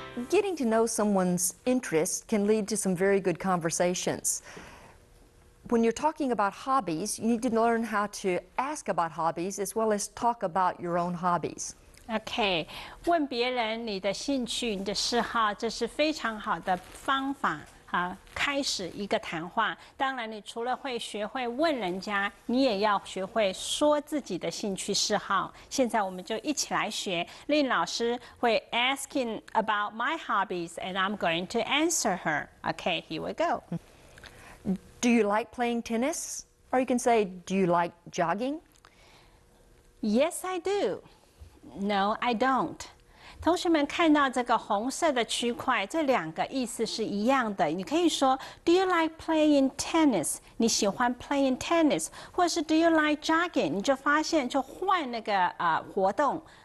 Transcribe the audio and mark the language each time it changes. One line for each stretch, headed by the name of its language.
English: Getting to know someone's interests can lead to some very good conversations. When you're talking about hobbies, you need to learn how to ask about hobbies as well as talk about your own hobbies.
Chinese: Okay, 问别人你的兴趣、你的嗜好，这是非常好的方法。开始一个谈话。当然你除了会学会问人家，你也要学会说自己的兴趣嗜好。现在我们就一起来学。林老师会
English: asking about my hobbies and I'm going to answer her. Okay, here we go. Do you like playing tennis? Or you can say, do you like jogging? Yes, I do. No, I don't.
Chinese: 同学们看到这个红色的区块，这两个意思是一样的。你可以说
English: Do you like playing tennis?
Chinese: 你喜欢
English: playing tennis?
Chinese: 或是
English: Do you like jogging?
Chinese: 你就发现就换那个活动